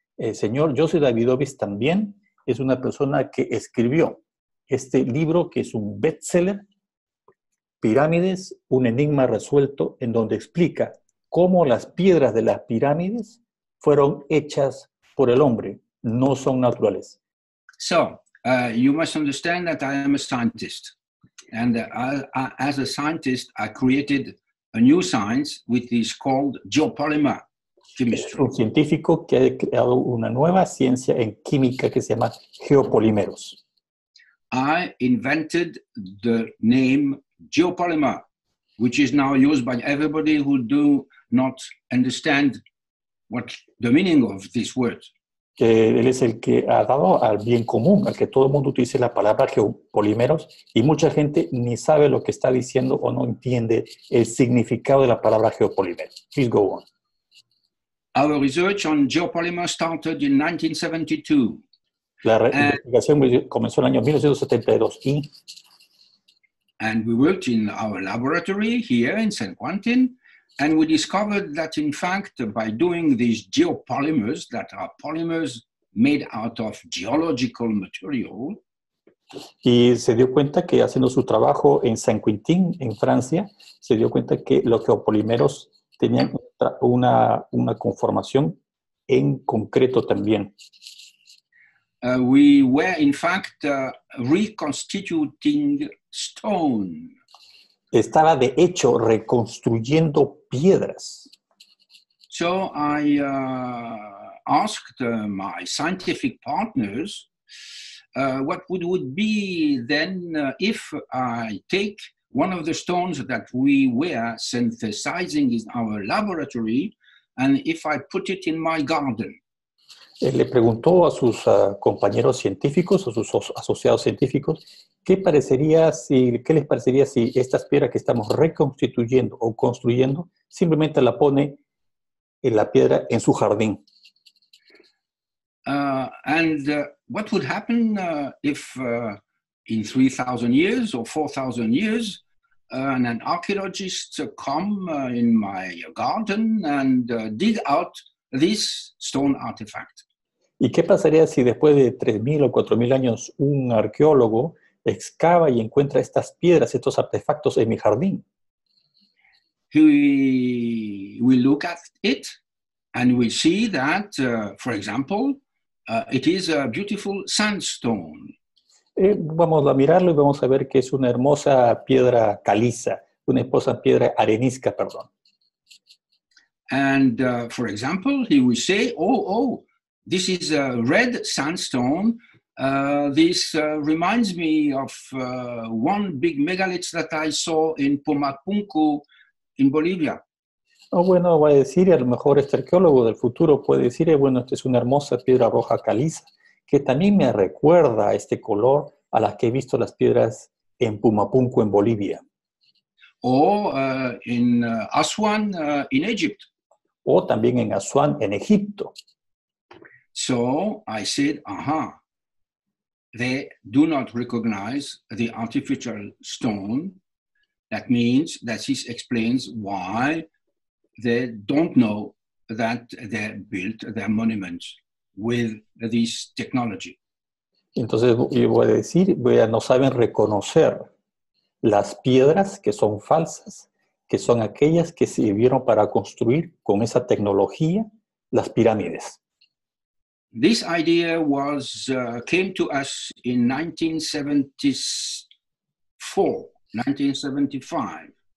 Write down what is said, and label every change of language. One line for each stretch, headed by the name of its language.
Spanish: El señor Joseph Davidovits también es una persona que escribió este libro, que es un bestseller, Pirámides, un enigma resuelto, en donde explica cómo las piedras de las pirámides fueron hechas por el hombre, no son naturales.
English: So, you must understand that I am a scientist. And as a scientist, I created a new science, which is called geopolymer
Spanish: Es
English: chemistry.
Spanish: un científico que ha creado una nueva ciencia en química que se llama geopolímeros.
English: I invented the name geopolymer, which is now used by everybody who do not understand what the meaning of this word.
Spanish: Que él es el que ha dado al bien común, al que todo el mundo utilice la palabra geopolímeros, y mucha gente ni sabe lo que está diciendo o no entiende el significado de la palabra geopolímeros.
English: Please go on. Our research on geopolymer started in 1972.
Spanish: La
English: And
Spanish: investigación comenzó en el año 1972 y.
English: we worked in our laboratory here in San Quentin, and we discovered that, in fact, by doing these geopolymers, that are polymers made out of geological material,
Spanish: Y se dio cuenta que haciendo su trabajo en Saint-Quentin, en Francia, se dio cuenta que los geopolímeros tenían una conformación en concreto también.
English: We were in fact reconstituting stone.
Spanish: Estaba de hecho reconstruyendo piedras.
English: So I asked my scientific partners what would be then if I take one of the stones that we were synthesizing in our laboratory and if I put it in my garden.
Spanish: Él le preguntó a sus compañeros científicos, a sus asociados científicos, qué les parecería si estas piedras que estamos reconstituyendo o construyendo simplemente la pone en la piedra en su jardín.
English: What would happen if in 3,000 years or 4,000 years an archaeologist come in my garden and dig out this stone artifact?
Spanish: ¿Y qué pasaría si después de 3.000 o 4.000 años un arqueólogo excava y encuentra estas piedras, estos artefactos en mi jardín?
English: He will look at it and we see that, for example, it is a beautiful sandstone.
Spanish: Vamos a mirarlo y vamos a ver que es una hermosa piedra caliza, una hermosa piedra arenisca, perdón.
English: And for example, he will say, oh, this is a red sandstone. This reminds me of one big megalith that I saw in Pumapunku in Bolivia.
Spanish: Bueno, va a decir, y a lo mejor este arqueólogo del futuro puede decir, bueno, esta es una hermosa piedra roja caliza, que también me recuerda a este color a las que he visto las piedras en Pumapunku, en Bolivia.
English: O in Aswan in Egypt.
Spanish: O también en Asuán, en Egipto.
English: So I said, aha, they do not recognize the artificial stone. That means that this explains why they don't know that they built their monuments with this technology.
Spanish: Entonces, yo voy a decir, no saben reconocer las piedras que son falsas, que son aquellas que sirvieron para construir con esa tecnología las pirámides.
English: This idea came to us in 1974, 1975.